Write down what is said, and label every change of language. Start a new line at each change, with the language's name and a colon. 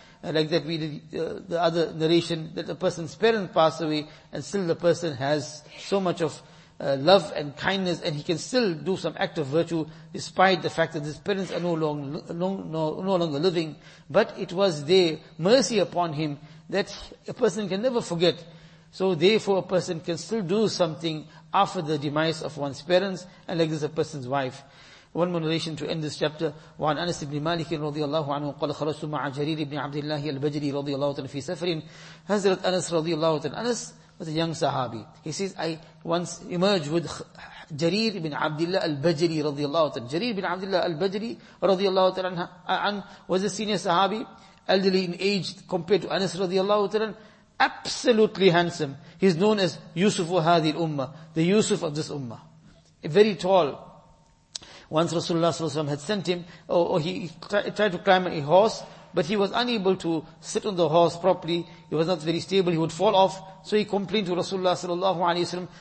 English: Like that we did the other narration, that the person's parents pass away and still the person has so much of love and kindness, and he can still do some act of virtue despite the fact that his parents are no longer living. But it was their mercy upon him that a person can never forget. So therefore a person can still do something after the demise of one's parents, and like this a person's wife. One more narration to end this chapter.
Arabic: وعن أنس بن مالك رضي الله عنه قال خرجت مع جرير بن عبد الله البجري رضي الله عنه في سفر حضرت أنس رضي الله عنه.
English: أنس was a young Sahabi. He says, I once emerged with جرير بن عبد الله البجري رضي الله عنه. جرير بن عبد الله البجري رضي الله عنه was a senior Sahabi, elderly in age compared to Anas رضي الله عنه. Absolutely handsome. He's known as Yusuf
Arabic: هذه الأمة,
English: the Yusuf of this Ummah. Very tall. Once Rasulullah ﷺ had sent him, he tried to climb a horse, but he was unable to sit on the horse properly. He was not very stable, he would fall off. So he complained to Rasulullah ﷺ.